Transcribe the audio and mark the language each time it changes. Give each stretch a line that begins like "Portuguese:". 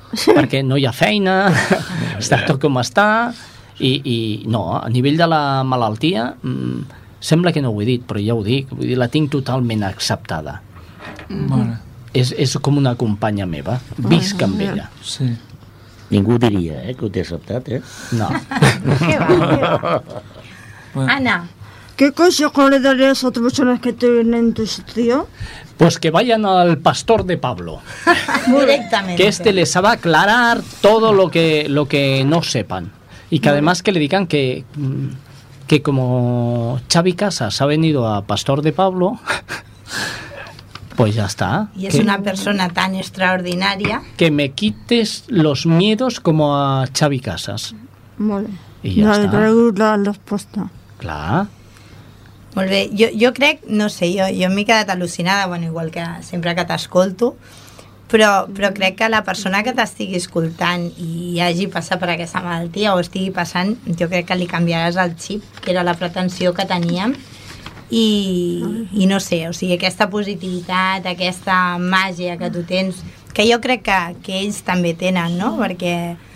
Catalan: perquè no hi ha feina, està tot com està, i no, a nivell de la malaltia, sembla que no ho he dit, però ja ho dic, vull dir, la tinc totalment acceptada. Bona. És com una companya meva, visc amb ella. Sí. Ningú diria, que ho té acceptat, No. Anna.
Spanish: ¿Qué consejo le darías a otras personas que tienen en tu sitio? Pues que vayan al pastor de Pablo. Directamente. Que este les va a aclarar todo lo que no sepan. Y que además que le digan que como Xavi Casas ha venido a pastor de Pablo, pues ya está. Y es una persona tan extraordinaria. Que me quites los miedos como a Xavi Casas. Vale. Y ya está. La respuesta. Claro.
Catalan: Molt bé, jo crec, no sé, jo m'he quedat al·lucinada, bueno, igual que sempre que t'escolto, però crec que la persona que t'estigui escoltant i hagi passat per aquesta malaltia o estigui passant, jo crec que li canviaràs el xip, que era la pretensió que teníem, i no sé, o sigui, aquesta positivitat, aquesta màgia que tu tens, que jo crec que ells també tenen, no?, perquè...